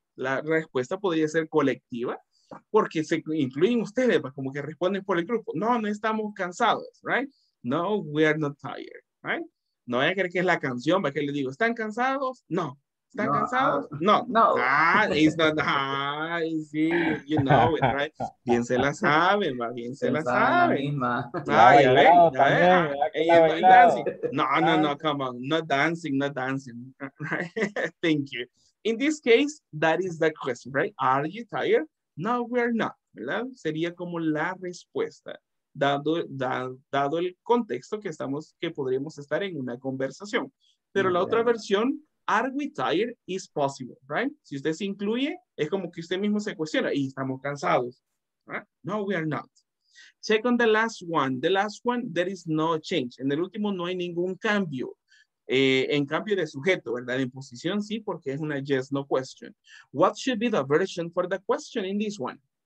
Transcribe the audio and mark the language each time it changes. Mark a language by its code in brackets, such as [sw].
[es] La respuesta podría ser colectiva porque se incluyen ustedes, como que responden por el grupo. [en] No, no estamos cansados, right? No, we are not tired, right? [es] No voy a creer que es la canción, ¿para qué le digo? ¿Están cansados? No. ¿Están no, cansados? No. No. [en] Ah, it's not, ah, sí, you know it, right? [es] Bien se la saben, va, bien se la saben. Ay, no, no, no, come on. [en] Not dancing, right? Thank you. In this case, that is the question, right? Are you tired? No, we're not, ¿verdad? Sería como la respuesta. [es] Dado el contexto que estamos, que podríamos estar en una conversación. [en] Pero la otra versión, are we tired, is possible, right? [es] Si usted se incluye, es como que usted mismo se cuestiona, y estamos cansados, right? [en] No, we are not. Check on the last one, there is no change. [es] En el último no hay ningún cambio. En cambio de sujeto, ¿verdad? En posición sí, porque es una yes, no question. [en] What should be the version for the question in this one?